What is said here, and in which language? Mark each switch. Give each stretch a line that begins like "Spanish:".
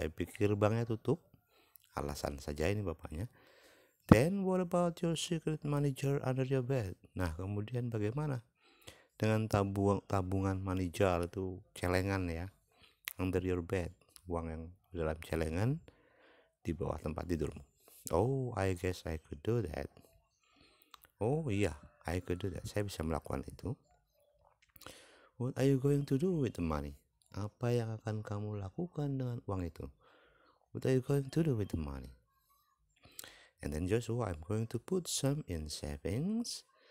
Indonesian: Saya pikir banknya tutup. Alasan saja ini bapaknya.
English: Then what about your secret money jar under your bed?
Indonesian: Nah, kemudian bagaimana dengan tabungan money jar itu, celengan ya,
English: under your bed,
Indonesian: uang yang dalam celengan di bawah tempat tidurmu.
English: Oh, I guess I could do that. Oh, iya, yeah, I could do that.
Indonesian: Saya bisa melakukan itu.
English: What are you going to do with the money?
Indonesian: Apa yang akan kamu lakukan dengan uang itu?
English: What are you going to do with the money? And then Joshua, I'm going to put some in savings.